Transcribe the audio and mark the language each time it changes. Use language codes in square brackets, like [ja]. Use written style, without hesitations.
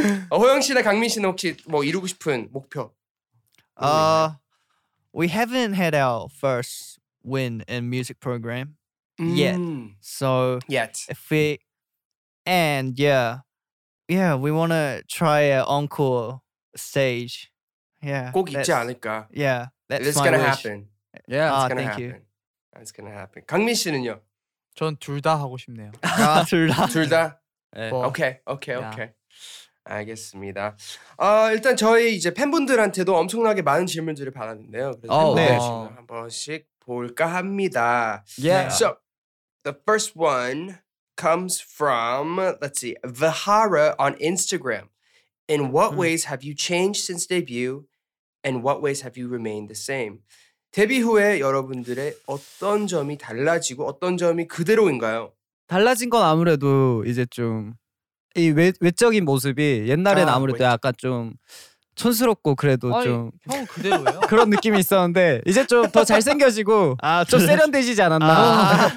[ko] 호영 씨나 강민 씨는 혹시 뭐 이루고 싶은 목표? [en] We haven't had our first win in music program yet. So yet if we and yeah. Yeah, we want to try an encore stage. Yeah. [ko] 꼭 있지 않을까? [en] Yeah. That's it's going to happen. Yeah, it's going to happen. It's going to happen. [ko] 강민 씨는요? 전 둘 다 하고 싶네요. 아, 둘 다. 둘 다? 네. 뭐. [en] Okay, okay, yeah. okay. [ko] 알겠습니다. 일단 저희 이제 팬분들한테도 엄청나게 많은 질문들을 받았는데요. 그래서 팬분들 네. 한 번씩 볼까 합니다. [en] Yeah. So, the first one comes from, let's see, Vihara on Instagram. In what ways have you changed since debut? And what ways have you remained the same? [ko] 데뷔 후에 여러분들의 어떤 점이 달라지고 어떤 점이 그대로인가요? 달라진 건 아무래도 이제 좀 이 외적인 모습이 옛날엔 아무래도 약간 좀 촌스럽고 그래도 아니, 좀 형 그대로예요? 그런 느낌이 있었는데 이제 좀 더 잘생겨지고 아, 좀 세련되지 않았나?